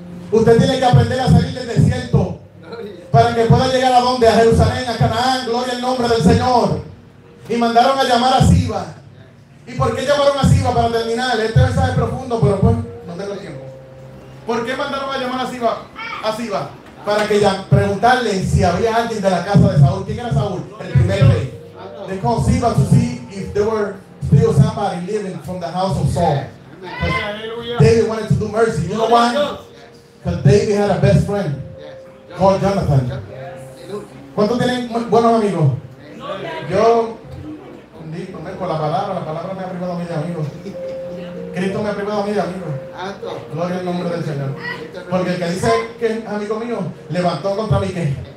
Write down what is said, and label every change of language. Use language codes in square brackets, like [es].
[es] Usted tiene que aprender a salir del desierto. Gloria. Para que pueda llegar a donde, a Jerusalén, a Canaán, gloria al nombre del Señor. Y mandaron a llamar a Siba. ¿Y por qué llamaron a Siba para terminar? Este mensaje es profundo, pero pues no tengo tiempo. ¿Por qué mandaron a llamar a Siba? A Siba. Para que ya preguntarle si había alguien de la casa de Saúl. ¿Quién era Saúl? El primer rey. [en] They called Siba to see if there were still somebody living from the house of Saul. David wanted to do mercy. You know why? Because David had a best friend called Jonathan. [es] ¿Cuántos tienen buenos amigos? Yo, con la palabra me ha privado a mí de amigos. Cristo me ha privado a mí de amigos. Gloria al nombre del Señor. Porque el que dice que es amigo mío, levantó contra mí que.